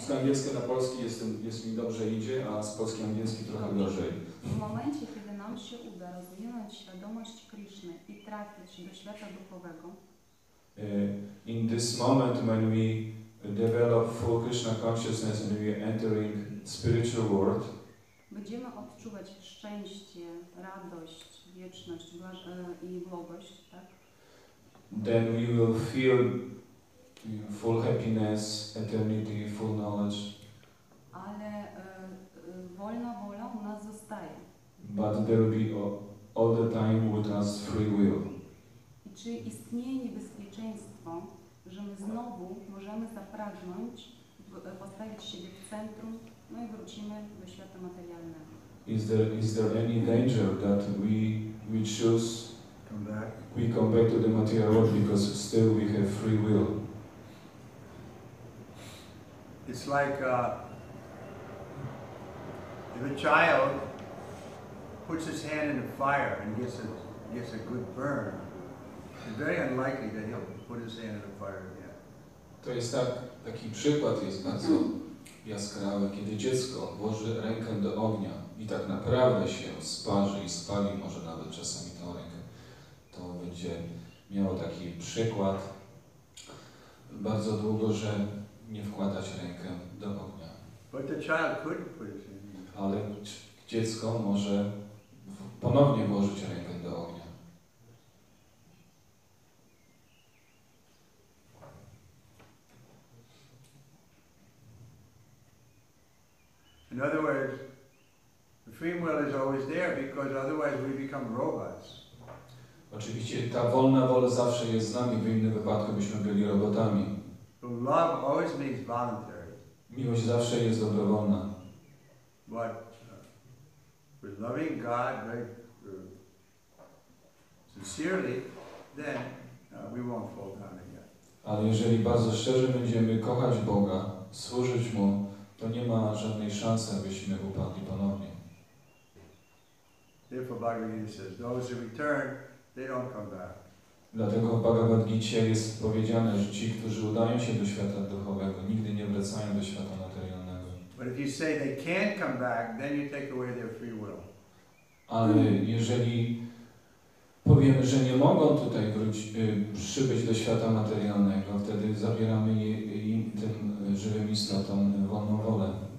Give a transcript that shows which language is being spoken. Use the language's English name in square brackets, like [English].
[Polish] z angielskiego na polski jest mi dobrze idzie, a z polski angielski trochę gorzej. W momencie, kiedy nam się uda rozwinąć świadomość Krishny i trafić do świata duchowego. [English] In this moment when we develop full Krishna consciousness and we are entering spiritual world. [Polish] Będziemy odczuwać szczęście, radość, wieczność i błogość, tak? [English] Then we will feel full happiness, eternity, full knowledge. [Polish] Ale wolna wola u nas zostaje. [English] But there will be all the time with us free will. [Polish] I czy istnieje niebezpieczeństwo, że my znowu możemy zapragnąć w postawić siebie w centrum, no i wrócimy do świata materialnego. [English] Is there any danger that we choose come back? We come back to the material world because still we have free will. It's like if a child puts his hand in the fire and gets a good burn, it's very unlikely that he'll put his hand in the fire again. [Polish] To jest taki przykład jest bardzo jaskrawy, kiedy dziecko włoży rękę do ognia i tak naprawdę się sparzy i spali, może nawet czasami tą rękę, to będzie miało taki przykład bardzo długo, że nie wkładać rękę do ognia. [English] But the child could put it in. [Polish] Ale dziecko może ponownie włożyć rękę do ognia. [English] In other words, the free will is always there because otherwise we become robots. [Polish] Oczywiście ta wolna wola zawsze jest z nami, w innym wypadku byśmy byli robotami. [English] But love always means voluntary. [Polish] Miłość zawsze jest dobrowolna. [English] But with loving God very sincerely, then we won't fall down again. [Polish] Ale jeżeli bardzo szczerze będziemy kochać Boga, służyć Mu, to nie ma żadnej szansy, abyśmy upadli ponownie. [English] Therefore Bhagavad Gita says, those who return, they don't come back. [Polish] Dlatego w Bhagavad Gita jest powiedziane, że ci, którzy udają się do świata duchowego, nigdy nie wracają do świata materialnego. [English] But if you say they can't come back, then you take away their free will. [Polish] Ale jeżeli powiemy, że nie mogą tutaj przybyć do świata materialnego, wtedy zabieramy im tym żywym istotom wolną wolę.